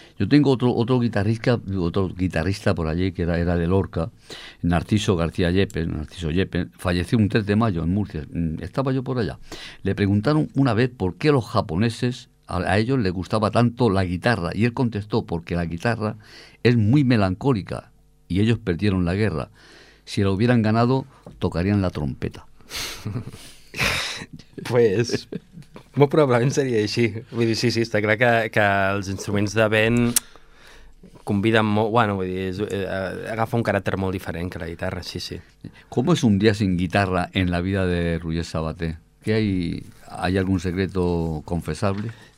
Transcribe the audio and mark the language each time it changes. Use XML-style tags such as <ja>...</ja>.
<es>Yo tengo otro guitarrista por allí que era de Lorca, Narciso García Yepes, Narciso Yepes, falleció un 3 de mayo en Murcia, estaba yo por allá. Le preguntaron una vez por qué los japoneses, a ellos les gustaba tanto la guitarra, y él contestó: porque la guitarra es muy melancólica y ellos perdieron la guerra. Si la hubieran ganado, tocarían la trompeta.</es> <ca>Pues molt probablement seria així. Vull dir, sí, està clar que els instruments de vent, convida molt, bueno, vull dir, és, agafa un caràcter molt diferent que la guitarra, sí, sí.</ca> <es>¿Cómo es un día sin guitarra en la vida de Roger Sabater? ¿Qué hay? ¿Hay algún secreto confesable?</es>